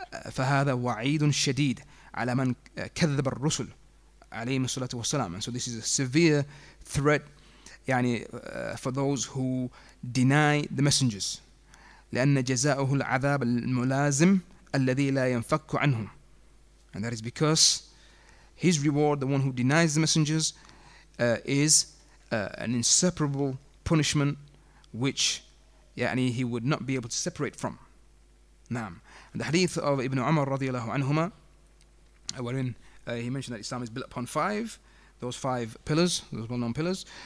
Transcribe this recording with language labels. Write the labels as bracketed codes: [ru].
[ar] فهذا وعيد شديد على من كذب الرسل عليهم الصلاة والسلام. [en] So this is a severe threat, يعني for those who deny the messengers. [ar] لأن جزاؤه العذاب الملازم الذي لا ينفك عنهم. [en] And that is because his reward, the one who denies the messengers, is an inseparable punishment which يعني he would not be able to separate from. [ar] نعم. [en] The hadith of Ibn Umar radiallahu anhuma, wherein he mentioned that Islam is built upon five pillars, those well-known pillars.